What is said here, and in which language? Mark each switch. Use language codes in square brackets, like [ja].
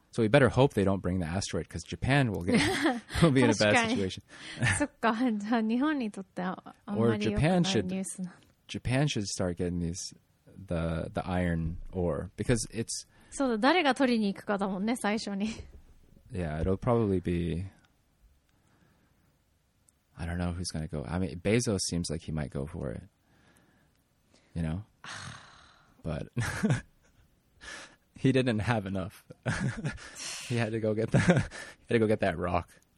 [en] So we better hope they don't bring the asteroid because Japan will be in a bad situation. or Japan should start getting the iron ore because it's, [ja] そうだ、誰が取りに行くかだもんね、最初に。 [en] Yeah, it'll probably be... I don't know who's gonna go. I mean, Bezos seems like he might go for it. You know? but he didn't have enough. He had to go get the, rock.